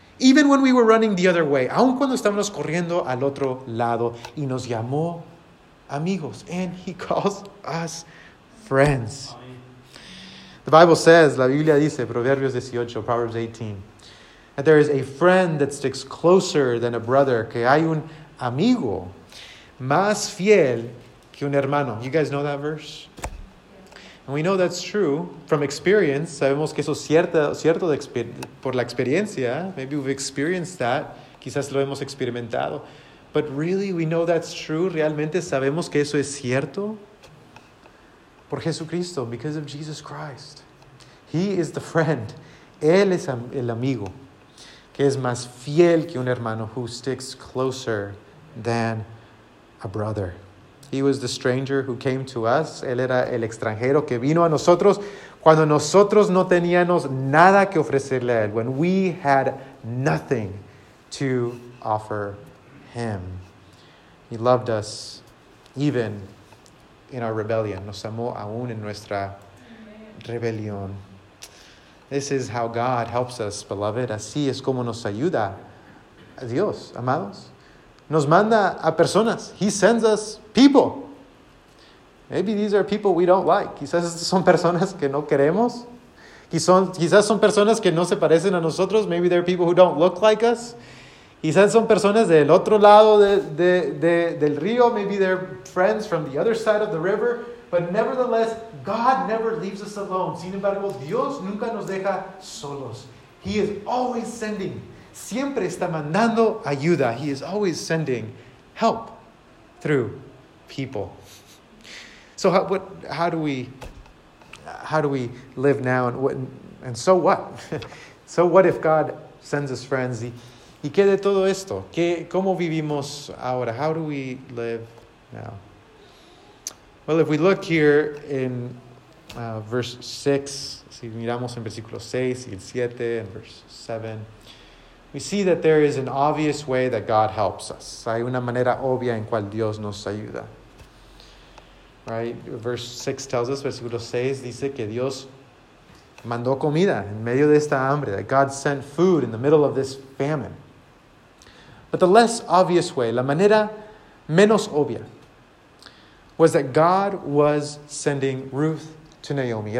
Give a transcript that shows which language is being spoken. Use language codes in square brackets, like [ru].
[en] Even when we were running the other way. [es] Aun cuando estábamos corriendo al otro lado. Y nos llamó amigos. [en] And He calls us friends. The Bible says, [es] la Biblia dice, [en] Proverbios 18, Proverbs 18, that there is a friend that sticks closer than a brother. [es] Que hay un amigo más fiel que un hermano. [en] You guys know that verse? And we know that's true from experience. [es] Sabemos que eso es cierto de por la experiencia. [en] Maybe we've experienced that. [es] Quizás lo hemos experimentado. [en] But really, we know that's true. [es] Realmente sabemos que eso es cierto por Jesucristo, [en] because of Jesus Christ. He is the friend. [es] Él es el amigo que es más fiel que un hermano, [en] who sticks closer than a brother. He was the stranger who came to us. [es] Él era el extranjero que vino a nosotros cuando nosotros no teníamos nada que ofrecerle a él. [en] When we had nothing to offer him. He loved us even in our rebellion. [es] Nos amó aún en nuestra rebelión. [en] This is how God helps us, beloved. [es] Así es como nos ayuda a Dios, amados. Nos manda a personas. [en] He sends us people. Maybe these are people we don't like. [es] Quizás son personas que no queremos. Quizás son personas que no se parecen a nosotros. [en] Maybe they're people who don't look like us. [es] Quizás son personas del otro lado del río. [en] Maybe they're friends from the other side of the river. But nevertheless, God never leaves us alone. [es] Sin embargo, Dios nunca nos deja solos. [en] He is always sending. [es] Siempre está mandando ayuda. [en] He is always sending help through people. So how do we live now? And so what? So what if God sends us friends? [es] ¿Y qué de todo esto? ¿Cómo vivimos ahora? [en] How do we live now? Well, if we look here in verse 6, [es] si miramos en versículo 6 y el 7, [en] en verse 7, we see that there is an obvious way that God helps us. [es] Hay una manera obvia en cual Dios nos ayuda. Right? [en] Verse 6 tells us, [es] versículo 6 dice que Dios mandó comida en medio de esta hambre. [en] That God sent food in the middle of this famine. But the less obvious way, [es] la manera menos obvia, [en] was that God was sending Ruth to Naomi.